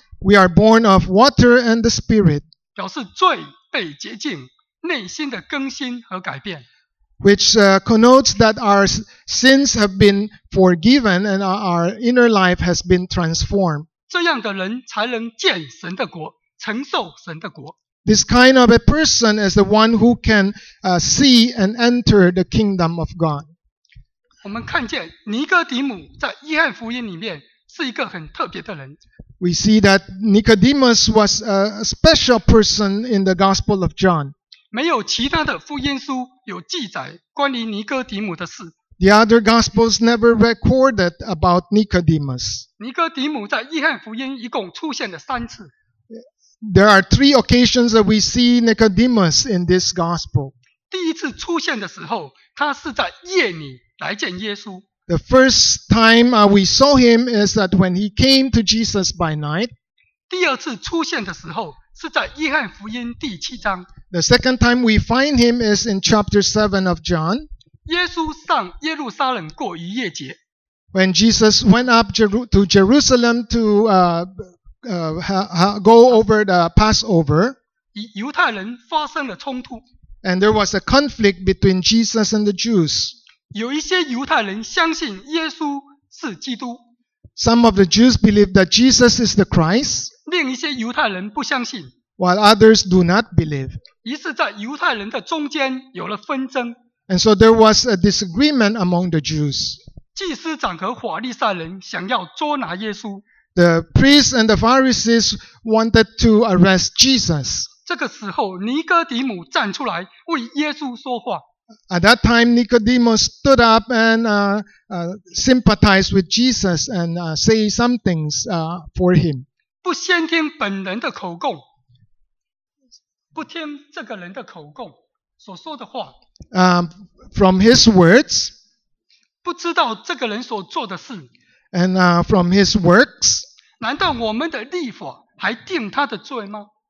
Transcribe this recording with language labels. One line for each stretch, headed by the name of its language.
English: We are born of water and the Spirit.
Chinese: 表示罪被洁净，内心的更新和改变。
English: Which connotes that our sins have been forgiven and our inner life has been transformed.
Chinese: 这样的人才能见神的国，承受神的国。
English: This kind of a person is the one who can see and enter the kingdom of God.
Chinese: 我们看见尼哥底母在约翰福音里面是一个很特别的人。
English: We see that Nicodemus was a special person in the Gospel of John.
Chinese: 没有其他的福音书有记载关于尼哥底母的事。
English: The other Gospels never recorded about Nicodemus.
Chinese: 尼哥底母在约翰福音一共出现了三次。
English: There are three occasions that we see Nicodemus in this Gospel.
Chinese: 第一次出现的时候，他是在夜里来见耶稣。
English: The first time we saw him is that when he came to Jesus by night.
Chinese: 第二次出现的时候是在约翰福音第七章。
English: The second time we find him is in chapter 7 of John.
Chinese: 耶稣上耶路撒冷过逾越节。
English: When Jesus went up to Jerusalem to go over the Passover.
Chinese: 与犹太人发生了冲突。
English: And there was a conflict between Jesus and the Jews.
Chinese: 有一些犹太人相信耶稣是基督。
English: Some of the Jews believe that Jesus is the Christ.
Chinese: 另一些犹太人不相信。
English: While others do not believe.
Chinese: 于是在犹太人的中间有了纷争。
English: And so there was a disagreement among the Jews.
Chinese: 祭司长和法利赛人想要捉拿耶稣。
English: The priests and the Pharisees wanted to arrest Jesus.
Chinese: 这个时候尼哥底母站出来为耶稣说话。
English: At that time, Nicodemus stood up and sympathized with Jesus and say some things for him.
Chinese: 不先听本人的口供，不听这个人的口供所说的话。
English: From his words,
Chinese: 不知道这个人所做的事。
English: And from his works,
Chinese: 难道我们的律法还定他的罪吗？